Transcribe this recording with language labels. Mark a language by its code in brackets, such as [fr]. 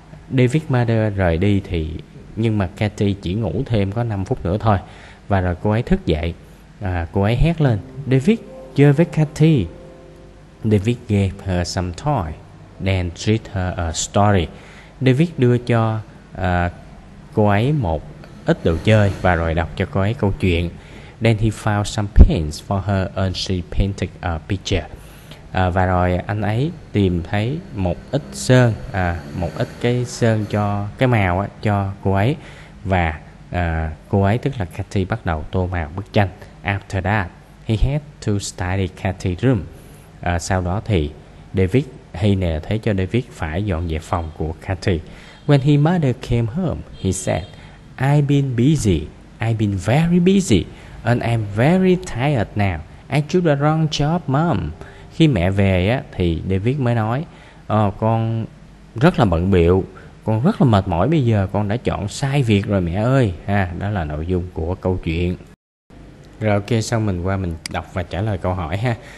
[vi] David's mother rời đi thì nhưng mà Kathy chỉ ngủ thêm có 5 phút nữa thôi. Và rồi cô ấy thức dậy. Cô ấy hét lên, David, chơi với Kathy. [en] David gave her some toy, then treat her a story. [vi] David đưa cho cô ấy một ít đồ chơi và rồi đọc cho cô ấy câu chuyện. [en] Then he found some paints for her and she painted a picture. [vi] Và rồi anh ấy tìm thấy một ít sơn, một ít cái sơn cho cái màu á, cho cô ấy. Và cô ấy, tức là Kathy, bắt đầu tô màu bức tranh. [en] After that, he had to study Kathy's room. [vi] Sau đó thì David, hay nè, thế cho David phải dọn dẹp phòng của Kathy. [en] When his mother came home, he said, I've been busy, I've been very busy, and I'm very tired now. I took the wrong job, mom. [vi] Khi mẹ về á, thì David mới nói, con rất là bận biệu, con rất là mệt mỏi bây giờ, con đã chọn sai việc rồi mẹ ơi. Ha, đó là nội dung của câu chuyện. Rồi ok, xong mình qua mình đọc và trả lời câu hỏi ha.